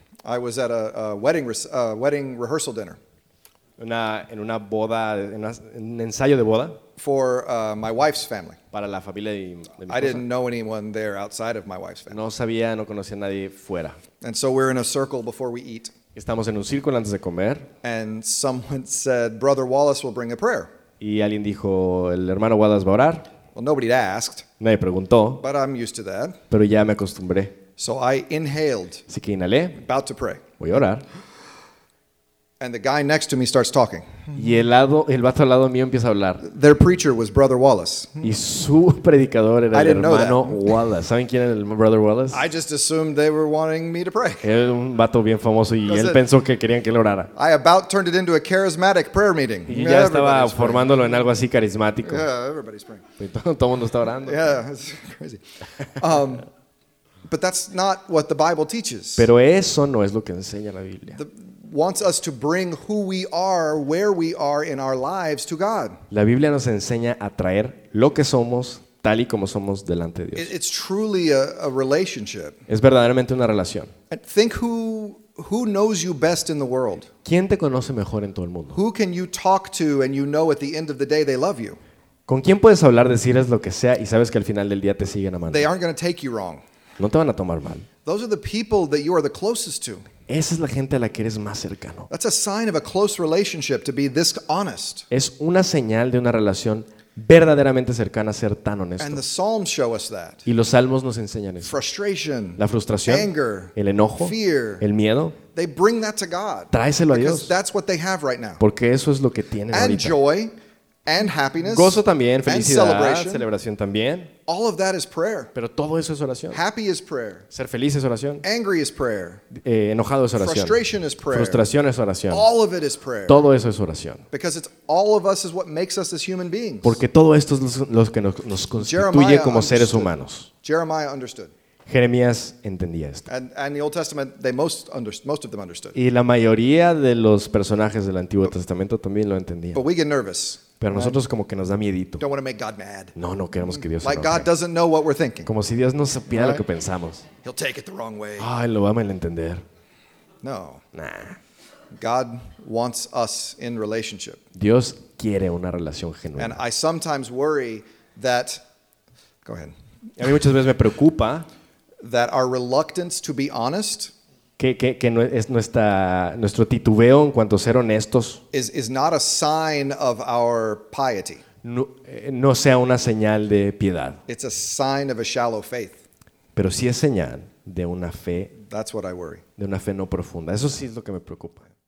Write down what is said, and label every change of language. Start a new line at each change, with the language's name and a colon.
English: I was at a wedding rehearsal dinner.
Spanish: En una boda, en un ensayo de boda.
English: For my wife's family.
Spanish: Para la familia de mi esposa.
English: I didn't know anyone there outside of my wife's family.
Spanish: No conocía a nadie fuera.
English: And so we're in a circle before we eat.
Spanish: Estamos en un círculo antes de comer.
English: And someone said, Brother Wallace will bring a prayer.
Spanish: Y alguien dijo, el hermano Wallace va a orar.
English: Well, nobody asked.
Spanish: Nadie preguntó.
English: But I'm used to that.
Spanish: Pero ya me acostumbré.
English: So I inhaled.
Spanish: Así que inhalé.
English: About to pray.
Spanish: Voy a orar.
English: And the guy next to me starts talking.
Spanish: Y el vato al lado mío empieza a hablar.
English: Their preacher was Brother Wallace.
Spanish: Y su predicador era el hermano Wallace. ¿Saben quién era el Brother Wallace?
English: I just assumed they were wanting me to pray.
Spanish: Era un vato bien famoso y él pensó que querían que él orara.
English: I about turned it into a charismatic prayer meeting.
Spanish: Y ya estaba formándolo en algo así carismático.
English: Yeah, everybody's praying.
Spanish: Todo el mundo está orando.
English: Yeah, it's crazy. But that's not what the Bible teaches.
Spanish: Pero eso no es lo que enseña la Biblia.
English: Wants us to bring who we are, where we are in our lives to God.
Spanish: La Biblia nos enseña a traer lo que somos tal y como somos delante de Dios.
English: It's truly a relationship.
Spanish: Es verdaderamente una relación.
English: Think who knows you best in the world.
Spanish: ¿Quién te conoce mejor en todo el mundo?
English: Who can you talk to and you know at the end of the day they love you?
Spanish: ¿Con quién puedes hablar, decirles lo que sea y sabes que al final del día te siguen amando?
English: They aren't going to take you wrong.
Spanish: No te van a tomar mal.
English: Those are the people that you are the closest to.
Spanish: Esa es la gente a la que eres más cercano.
English: That's a sign of a close relationship to be this honest.
Spanish: Es una señal de una relación verdaderamente cercana a ser tan honesto.
English: And the Psalms show us that.
Spanish: Y los Salmos nos enseñan eso.
English: Frustration.
Spanish: La frustración.
English: Anger.
Spanish: El enojo.
English: Fear.
Spanish: El miedo.
English: They bring that to God.
Spanish: Tráeselo a Dios.
English: Because that's what they have right now.
Spanish: Porque eso es lo que tienen
English: and
Spanish: ahorita.
English: Joy. And happiness.
Spanish: Gozo también, felicidad,
English: and celebration.
Spanish: Celebración también.
English: All of that is prayer.
Spanish: Pero todo eso es oración.
English: Happy is prayer.
Spanish: Ser feliz es oración.
English: Angry is prayer.
Spanish: Enojado es oración.
English: Frustration is prayer.
Spanish: Frustración es oración.
English: All of it is prayer.
Spanish: Todo eso es oración.
English: Because it's all of us is what makes us as human beings.
Spanish: Porque todo esto es lo que nos constituye
English: Jeremiah
Spanish: como
English: understood.
Spanish: Seres humanos.
English: Jeremiah understood.
Spanish: Jeremías entendía esto.
English: And the Old Testament, they most of them understood.
Spanish: Y la mayoría de los personajes del Antiguo Testamento también lo entendían.
English: But we get nervous.
Spanish: Pero nosotros como que nos da miedito.
English: Don't want to make God mad.
Spanish: No queremos que Dios se enoje.
English: Like God doesn't know what we're thinking.
Spanish: Como si Dios no supiera lo que pensamos.
English: He'll take it the wrong way.
Spanish: Ah, lo va a malentender.
English: No. Nah. God wants us in relationship.
Spanish: Dios quiere una relación genuina.
English: And I sometimes worry that. Go ahead.
Spanish: A mí muchas veces me preocupa
English: that our reluctance to be honest.
Spanish: Que no es nuestro titubeo en cuanto a ser honestos
English: is not a sign of our piety.
Spanish: No sea una señal de piedad.
English: It's a sign of a shallow faith.
Spanish: Pero sí es señal de una fe.
English: That's what I worry.
Spanish: De una fe no profunda. Eso sí es lo que me preocupa.